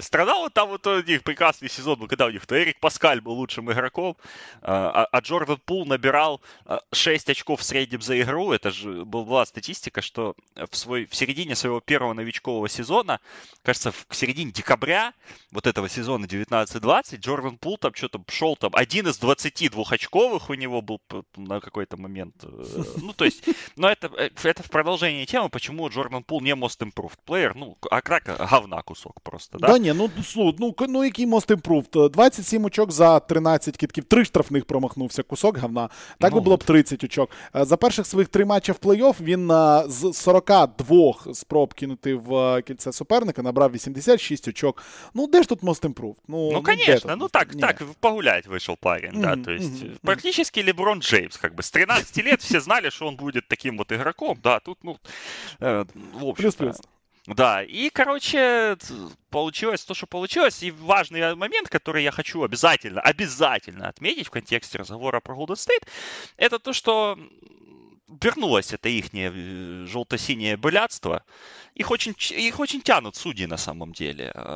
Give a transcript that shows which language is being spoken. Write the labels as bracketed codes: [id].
[ru] Страдал вот там вот у них прекрасный сезон был, когда у них-то Эрик Паскаль был лучшим игроком, а Джордан Пул набирал 6 очков в среднем за игру, это же была статистика, что в середине своего первого новичкового сезона, кажется, в середине декабря вот этого сезона 19-20, Джордан Пул там что-то шел там, один из 22 очковых у него был на какой-то момент. Ну, то есть, но это в продолжении темы, почему Джордан Пул не [en] most improved player, [ru] ну, а так, говна кусок просто, да? [uk] Да не, ну, який most improved? 27 очок за 13 китків, 3 штрафних промахнувся, кусок говна, так ну, [ru] бы было б 30 очков. [uk] очок. За перших своїх три матчі в плей-офф він з 42 спроб кинути в кільце суперника набрав 86 очок. Ну, де ж тут [en] most improved? [ru] Ну, конечно, ну так, не. Так, погулять вийшов парень, mm-hmm, да, то есть mm-hmm, практически Леброн Джеймс, как бы, с 13 лет все знали, что он будет таким вот игроком, да, тут, ну, в общем-то. Плюс-плюс. Да, и, короче, получилось то, что получилось, и важный момент, который я хочу обязательно, обязательно отметить в контексте разговора про Golden State, это то, что вернулось это ихнее желто-синее блядство, их очень тянут судьи на самом деле.